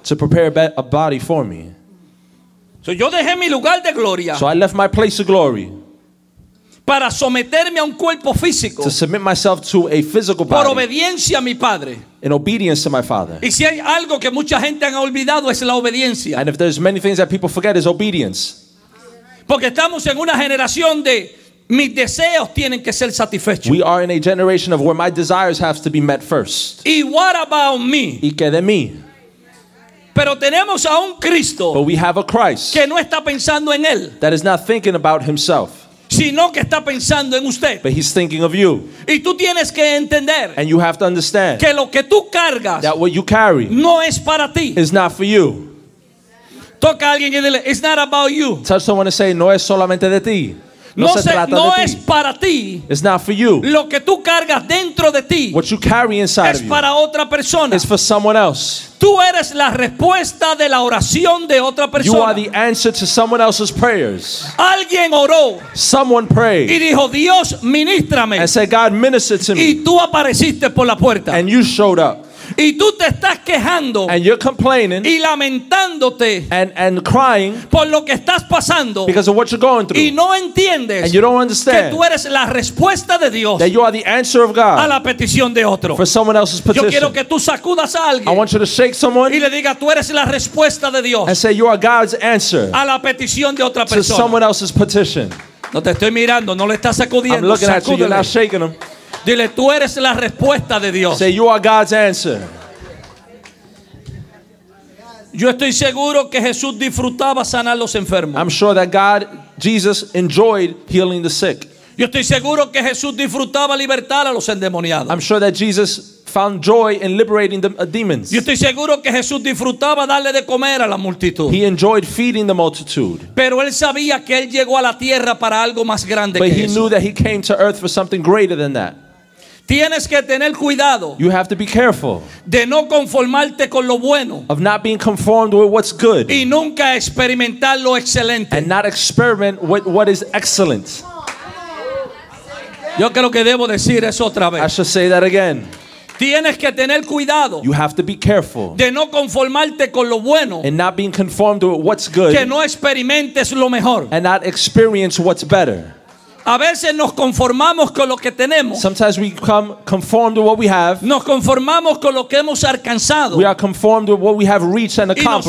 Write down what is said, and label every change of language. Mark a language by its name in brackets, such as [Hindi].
[English] To prepare a body for me. [Spanish] So yo dejé mi lugar de gloria. [English] So I left my place of glory. [Spanish] para someterme a un cuerpo físico, [English] to submit myself to a physical body, [Spanish] por obediencia a mi padre. [English] In obedience to my father. [Spanish] Y si hay algo que mucha gente ha olvidado es la obediencia. [English] And if there's many things that people forget is obedience. [Spanish] Porque estamos en una generación de mis deseos tienen que ser satisfechos. [English] We are in a generation of where my desires have to be met first. [Spanish] ¿Y [English] what about me? [Spanish] ¿Y qué de mí? Pero tenemos a un Cristo, [English] but we have a Christ, [Spanish] que no está pensando en él, [English] that is not thinking about himself, [Spanish] sino que está pensando en usted. [English] But he's thinking of you. [Spanish] Y tú tienes que entender, [English] and you have to understand, [Spanish] que lo que tú cargas, [English] that what you carry, [Spanish] no es para ti, [English] is not for you. [Spanish] Toca a alguien y dile, [English] it's not about you. Touch someone and say, [Spanish] no es solamente de ti. No es para ti. [English] It's not for you. [Spanish] Lo que tú cargas dentro de ti, [English] what you carry inside [Spanish] es para otra persona. [English] It's for someone else. [Spanish] Tú eres la respuesta de la oración de otra persona. [English] You are the answer to someone else's prayers. [Spanish] Alguien oró. [English] Someone prayed. [Spanish] Y dijo, Dios, ministrame. [English] And said, God, minister to me. [Spanish] Y tú apareciste por la puerta. [English] And you showed up. [Spanish] Y tú te estás quejando, [English] and you're complaining, [Spanish] y lamentándote, [English] and crying, [Spanish] por lo que estás pasando, [English] because of what you're going through, [Spanish] y no entiendes, [English] and you don't understand, [Spanish] que tú eres la respuesta de Dios, [English] that you are the answer of God, [Spanish] a la petición de otro, [English] for someone else's petition. [Spanish] Yo quiero que tú sacudas a alguien, [English] I want you to shake someone, [Spanish] y le diga, tú eres la respuesta de Dios, [English] and say you are God's answer, [Spanish] a la petición de otra persona, [English] to someone else's petition. [Spanish] No te estoy mirando, no le estás sacudiendo. [English] I'm looking at you, you're not shaking them. [Spanish] Dile, tú eres la respuesta de Dios. [English] Say, you are God's answer. [Spanish] Yo estoy seguro que Jesús disfrutaba sanar los enfermos. [English] I'm sure that God, Jesus, enjoyed healing the sick. [Spanish] Yo estoy seguro que Jesús disfrutaba libertar a los endemoniados. [English] I'm sure that Jesus found joy in liberating the demons. [Spanish] Yo estoy seguro que Jesús disfrutaba darle de comer a la multitud. [English] He enjoyed feeding the multitude. [Spanish] Pero él sabía que él llegó a la tierra para algo más grande que eso. [English] But he knew that he came to earth for something greater than that. [Spanish] Tienes que tener cuidado. [English] You have to be careful. [Spanish] De no conformarte con lo bueno. [English] Of not being conformed with what's good. [Spanish] Y nunca experimentar lo excelente. [English] And not experiment with what is excellent. [Spanish] Yo creo que debo decir eso otra vez. [English] I should say that again. [Spanish] Tienes que tener cuidado. [English] You have to be careful. [Spanish] De no conformarte con lo bueno. [English] And not being conformed with what's good. [Spanish] Que no experimentes lo mejor. [English] And not experience what's better. [Spanish] A veces nos conformamos con lo que tenemos. [English] Sometimes we become conformed with what we have. [Spanish] Nos conformamos con lo que hemos alcanzado. [English] We are conformed with what we have reached and accomplished.